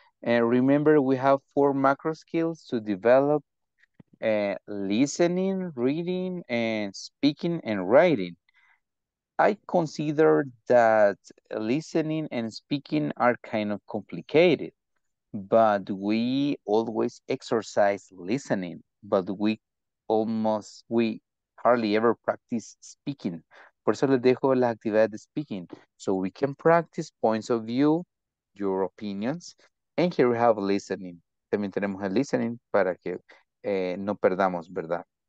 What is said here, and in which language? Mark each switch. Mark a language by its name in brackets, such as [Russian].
[English] And remember, we have four macro skills to develop listening, reading, and speaking and writing. I consider that listening and speaking are kind of complicated, but we always exercise listening, but we hardly ever practice speaking. [Spanish] Por eso les dejo la actividad de speaking. [English] So we can practice points of view, your opinions. And here we have listening. [Spanish] También tenemos el listening para que no perdamos, ¿verdad?